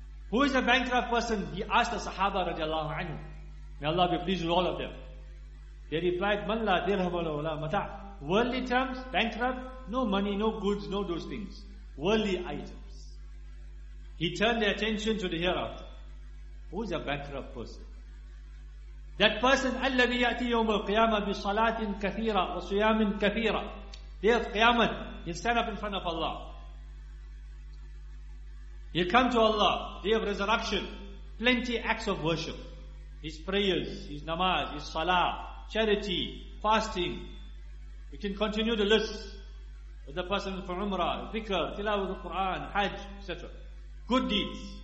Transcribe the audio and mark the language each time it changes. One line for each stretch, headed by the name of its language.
English: Who is a bankrupt person? He asked the sahaba radiallahu anhu. May Allah be pleased with all of them. They replied,
Arabic: man la dirham wa la mata.
English: Worldly terms, bankrupt, no money, no goods, no those things. Worldly items. He turned their attention to the hereafter. Who is a bankrupt person? That person,
Arabic: الَّذِي يَأْتِي يَوْمَ الْقِيَامَةِ بِصَلَاةٍ كَثِيرًا وَصِيَامٍ كَثِيرًا.
English: Day of Qiyamah, he'll stand up in front of Allah. He'll come to Allah, day of resurrection, plenty acts of worship. His prayers, his namaz, his salah, charity, fasting. We can continue the list. The person for Umrah, Dhikr, Tilawah of Quran, Hajj, etc. Good deeds.